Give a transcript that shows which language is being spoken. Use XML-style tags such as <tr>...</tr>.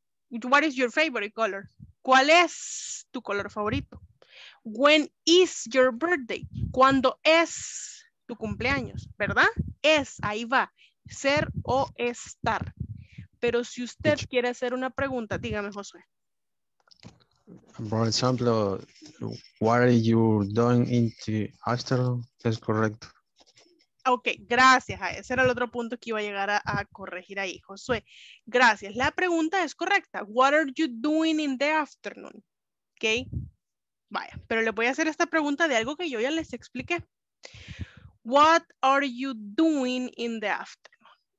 <en>What is your favorite color?</en> <es>¿Cuál es tu color favorito?</es> <en>When is your birthday?</en> <es>¿Cuándo es tu cumpleaños? ¿Verdad? Es, ahí va, ser o estar. Pero si usted quiere hacer una pregunta, dígame, Josué. Por ejemplo,</es> <en>what are you doing in the afternoon?</en> <es>Es correcto. Ok, gracias. Ese era el otro punto que iba a llegar a corregir ahí, Josué. Gracias. La pregunta es correcta.</es> <en>What are you doing in the afternoon?</en> <es>Ok. Vaya, pero le voy a hacer esta pregunta de algo que yo ya les expliqué.</es> <en>What are you doing in the afternoon?</en>